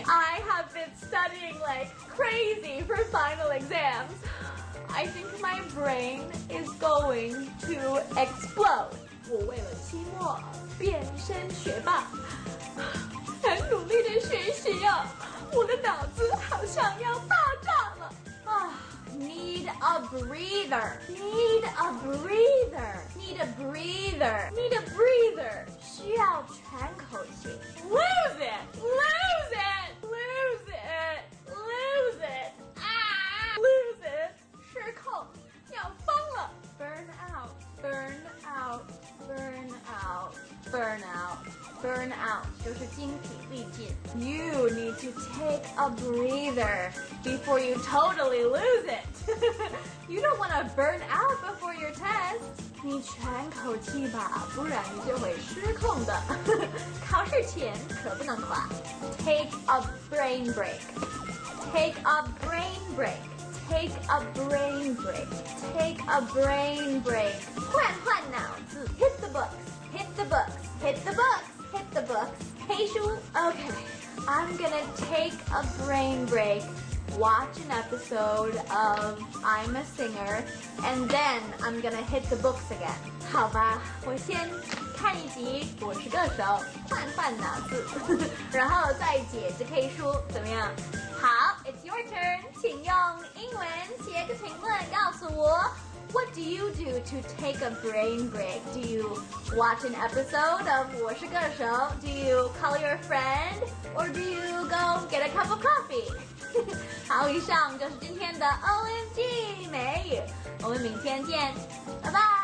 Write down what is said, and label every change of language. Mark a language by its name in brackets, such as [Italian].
[English] I have been studying like crazy for final exams. I think my brain is going to explode. [Chinese] 我为了期末变身学霸，很努力的学习啊，我的脑子好像要爆炸了啊。 [English] Need a breather. Need a breather. Need a breather. Need a breather. 需要喘口气。 Lose it. Lose it. Lose it. Lose it. Ah. Lose it. 失控，要疯了。 Burn out. Burn out. Burn out. Burn out. Burn out. [Chinese] 就是精疲力尽。 [English] You need to take a breather before you totally lose it. You don't want to burn out before your test. [Chinese] 你喘口气吧，不然你就会失控的。考试前可不能垮。 Take a brain break. [English] Take a brain break. Take a brain break. Take a brain break. 换换脑子。 Hit the books. Hit the books. Hit the books. Hit the books. 黑书。 Okay. I'm gonna take a brain break. Watch an episode of I'm a Singer, and then I'm gonna hit the books again. [Chinese] 好吧，我先看一集《我是歌手》，换换脑子，然后再解释黑书，怎么样？好 ， It's your turn. 请用英文写个评论告诉我。 [English] What do you do to take a brain break? Do you watch an episode of 我是歌手》? Do you call your friend? Or do you go get a cup of coffee? [Chinese] 好，以上就是今天的 OMG 美语，我们明天见，拜拜。